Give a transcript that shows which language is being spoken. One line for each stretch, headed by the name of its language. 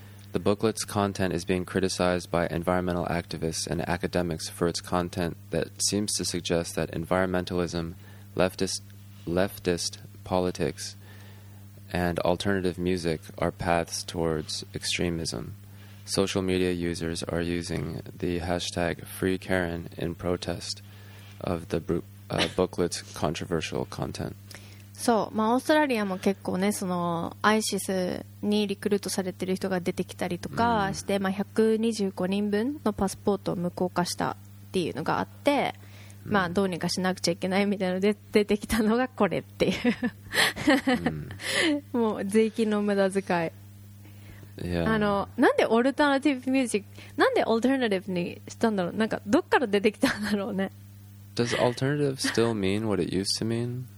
English: The booklet's content is being criticized by environmental activists and academics for its content that seems to suggest that environmentalism, leftist politics, and alternative music are paths towards extremism. Social media users are using the hashtag #FreeKaren in protest of the booklet's controversial content.
Japanese: So, まあオーストラリアも結構ね、そのISISにリクルートされてる人が出てきたりとか、して、まあ125人分のパスポートを無効化したっていうのがあって、まあどうにかしなくちゃいけないみたいなので出てきたのがこれっていう。もう税金の無駄遣い。
English: Yeah.
Japanese: なんでオルタナティブミュージック、なんでオルタナティブにしたんだろう、なんかどっから出てきたんだろうね。
English: Does alternative still mean what it used to mean?